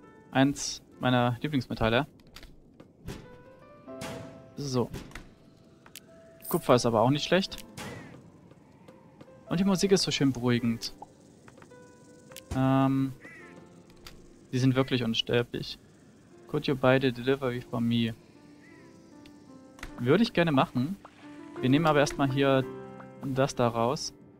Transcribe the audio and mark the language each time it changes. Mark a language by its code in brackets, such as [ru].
[de] Eins meiner Lieblingsmetalle. So. Kupfer ist aber auch nicht schlecht. Und die Musik ist so schön beruhigend. Die sind wirklich unsterblich. [en] Could you buy the delivery for me? [de] Würde ich gerne machen. Wir nehmen aber erstmal hier das da raus.